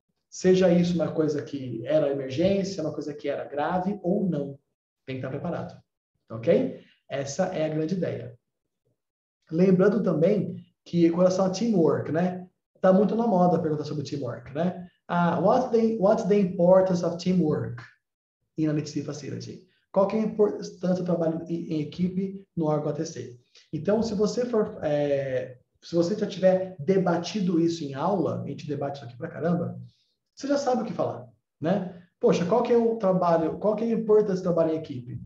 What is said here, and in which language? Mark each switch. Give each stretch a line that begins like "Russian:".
Portuguese: Seja isso uma coisa que era emergência, uma coisa que era grave ou não, tem que estar preparado. Ok? Essa é a grande ideia. Lembrando também que com relação a teamwork, né? Tá muito na moda perguntar sobre teamwork, né?
English: What's the importance of teamwork in an ATC facility?
Portuguese: Qual que é a importância do trabalho em equipe no órgão ATC? Então, se você for, se você já tiver debatido isso em aula, a gente debate isso aqui pra caramba, você já sabe o que falar, né? Poxa, qual que é o trabalho, qual que é a importância do trabalho em equipe?